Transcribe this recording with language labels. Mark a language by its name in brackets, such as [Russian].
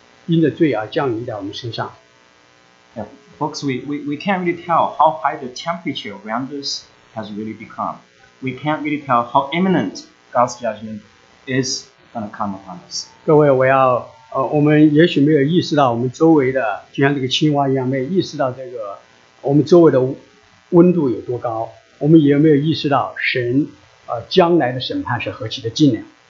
[Chinese] 但问题是，这个罪的问题，会在永恒里头，有一个结果，有个惩罚，就是神的愤怒要因着罪而降临在我们身上。 [English] Yeah, folks, we can't really tell how high the temperature around us has really become. We can't really tell how imminent God's judgment is going to come upon us. [Chinese] 各位，我要。我们也许没有意识到我们周围的，就像这个青蛙一样，没有意识到这个我们周围的温度有多高。我们也没有意识到神将来的审判是何其的近呢。